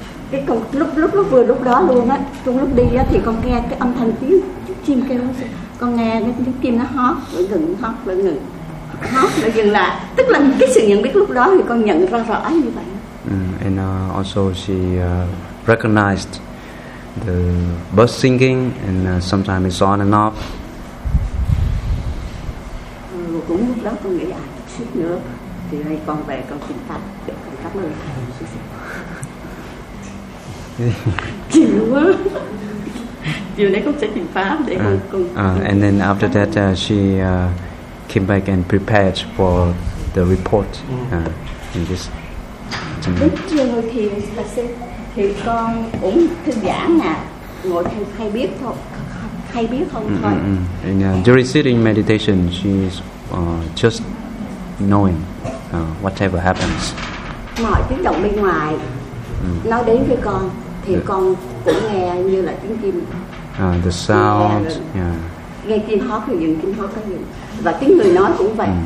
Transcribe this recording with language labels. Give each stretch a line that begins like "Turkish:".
Vietnamese: Cái lúc vừa lúc đó luôn á, trong lúc đi á thì con nghe cái âm thanh tiếng chim kêu. Con nghe cái tiếng chim nó hót, lại ngừng, hót, lại ngừng. Hót, lại dừng lại. Tức là cái sự nhận biết lúc đó thì con nhận ra rõ như vậy.
English: And also she recognized the bird singing and sometimes it's on and off.
Vietnamese: Cũng lúc đó con nghĩ là chút nữa thì hay con về con xin phạt. Cảm ơn. Chịu quá.
English: And then after that, she came back and prepared for the report. In this and during sitting meditation, she is just knowing whatever happens.
Vietnamese: Mọi tiếng động bên ngoài nó đến với con thì con cũng nghe như là tiếng chim.
English: The sound,
Vietnamese: nghe chim hót thì những chim hót có những và tiếng người nói cũng vậy.